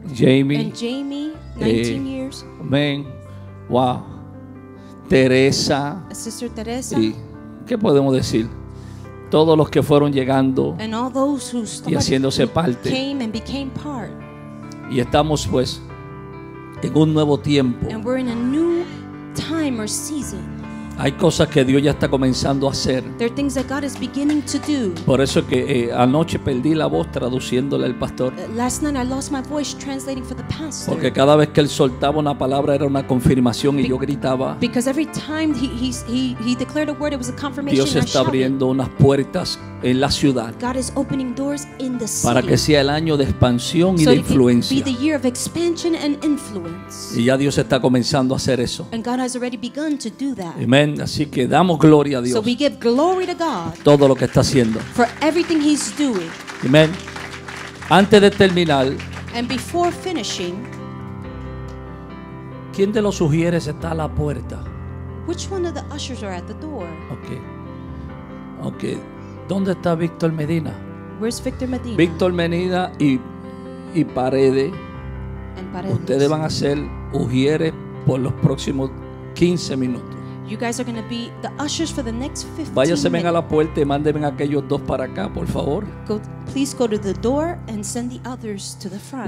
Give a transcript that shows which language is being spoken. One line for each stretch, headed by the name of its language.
English: Jamie, and Jamie, 19 years. Amen. Wow. Teresa. Sister Teresa.
Spanish: Y, ¿qué podemos decir? Todos los que fueron llegando y haciéndose parte.
English: Came and became part.
Spanish: Y estamos pues en un nuevo tiempo.
English: And we're in a new time or season.
Spanish: Hay cosas que Dios ya está comenzando a hacer.
English: There are things that God is beginning to do.
Spanish: Por eso que anoche perdí la voz traduciéndole al pastor.
English: Last night I lost my voice translating for the pastor.
Spanish: Porque cada vez que él soltaba una palabra era una confirmación y yo gritaba.
English: Because every time he declared a word it was a confirmation.
Spanish: Dios está abriendo unas puertas en la ciudad.
English: God is opening doors in the city.
Spanish: Para que sea el año de expansión y
English: so
Spanish: de influencia.
English: Be the year of expansion and influence.
Spanish: Y ya Dios está comenzando a hacer eso.
English: And God has already begun to do that.
Spanish: Amen. Así que damos gloria a Dios.
English: So we give glory to God.
Spanish: Todo lo que está haciendo.
English: For everything he's doing.
Spanish: Amen. Antes de terminar.
English: And before finishing.
Spanish: ¿Quién de los sugieres está a la puerta?
English: Which one of the ushers are at the door?
Spanish: Okay. ¿Dónde está Víctor Medina?
English: Where's Victor Medina?
Spanish: Víctor Medina y Paredes. Ustedes van a ser ujieres por los próximos 15 minutos.
English: You guys are going to be the ushers for the next 15 minutes.
Spanish: Váyanse a la puerta y mándenme aquellos dos para acá, por favor.
English: Please go to the door and send the others to the front.